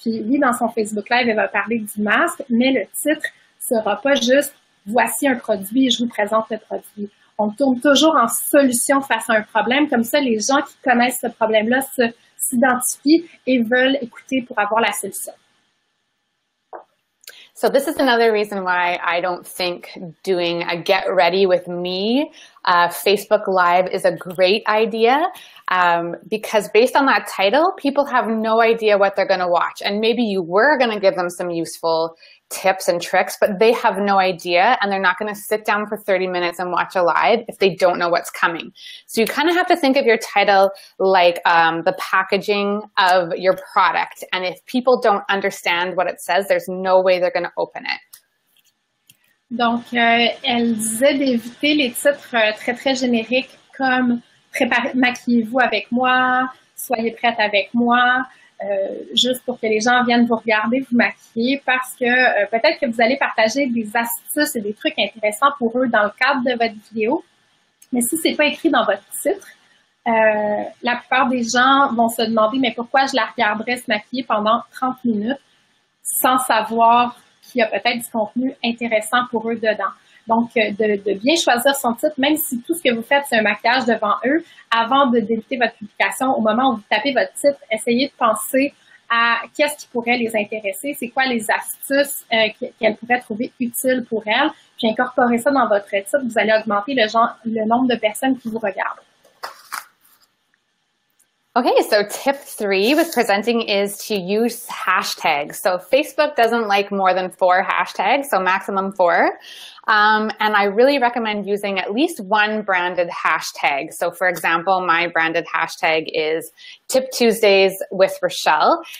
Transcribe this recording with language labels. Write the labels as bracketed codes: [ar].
[fr] Puis, lui, dans son Facebook Live, elle va parler du masque, mais le titre sera pas juste « Voici un produit, je vous présente le produit ». On tourne toujours en solution face à un problème. Comme ça, les gens qui connaissent ce problème-là s'identifient et veulent écouter pour avoir la solution. [en] So this is another reason why I don't think doing a get ready with me Facebook Live is a great idea, because based on that title, people have no idea what they're going to watch. And maybe you were going to give them some useful tips and tricks, but they have no idea, and they're not going to sit down for 30 minutes and watch a live if they don't know what's coming. So you kind of have to think of your title like the packaging of your product. And if people don't understand what it says, there's no way they're going to open it. [fr] Donc, elle disait d'éviter les titres très, très génériques comme « Maquillez-vous avec moi »,« Soyez prête avec moi », juste pour que les gens viennent vous regarder, vous maquiller, parce que peut-être que vous allez partager des astuces et des trucs intéressants pour eux dans le cadre de votre vidéo. Mais si c'est pas écrit dans votre titre, la plupart des gens vont se demander « Mais pourquoi je la regarderais se maquiller pendant 30 minutes sans savoir qu'il y a peut-être du contenu intéressant pour eux dedans. » Donc, de bien choisir son titre, même si tout ce que vous faites, c'est un maquillage devant eux, avant de débuter votre publication, au moment où vous tapez votre titre, essayez de penser à qu'est-ce qui pourrait les intéresser, c'est quoi les astuces qu'elles pourraient trouver utiles pour elles, puis incorporer ça dans votre titre, vous allez augmenter le nombre de personnes qui vous regardent. [en] Okay, so tip three with presenting is to use hashtags. So Facebook doesn't like more than 4 hashtags, so maximum 4. And I really recommend using at least 1 branded hashtag. So for example, my branded hashtag is Tip Tuesdays with Rochelle.